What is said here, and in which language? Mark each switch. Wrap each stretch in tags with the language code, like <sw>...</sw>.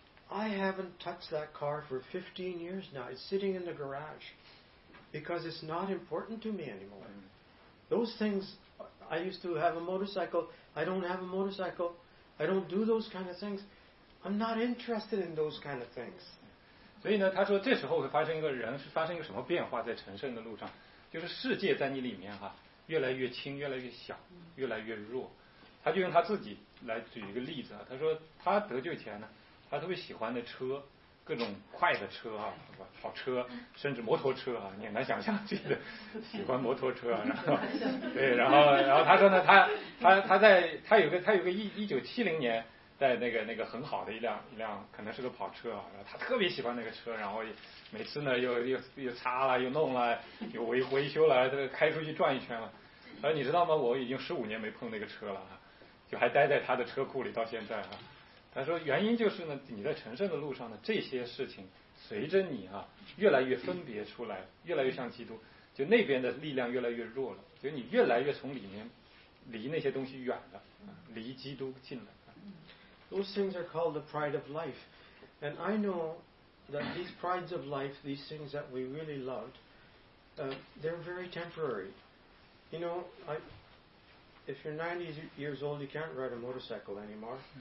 <en>I haven't touched that car for 15 years now. It's sitting in the garage because it's not important to me anymore. Those things, I used to have a motorcycle. I don't have a motorcycle. I don't do those kind of things. I'm not interested in those kind of things.</en> <zh>所以呢，他说这时候会发生一个人是发生一个什么变化，在成圣的路上，就是世界在你里面哈，越来越轻，越来越小，越来越弱。他就用他自己来举一个例子啊，他说他得救前呢，他特别喜欢的车，各种快的车啊，跑车，甚至摩托车啊，你很难想象自己的喜欢摩托车啊，然后对，然后他说呢，他有个1970年在那个很好的一辆，可能是个跑车啊，然后他特别喜欢那个车，然后每次呢又擦了，又弄了，又维修了，他开出去转一圈了。他说你知道吗？我已经15年没碰那个车了，就还待在他的车库里到现在啊。他说原因就是呢，你在成圣的路上呢，这些事情随着你啊越来越分别出来，越来越像基督，就那边的力量越来越弱了，就你越来越从里面离那些东西远了，离基督近了。</zh> <en>Those things are called the pride of life. And I know that these prides of life, these things that we really loved, they're very temporary. You know, if you're 90 years old, you can't ride a motorcycle anymore.</en>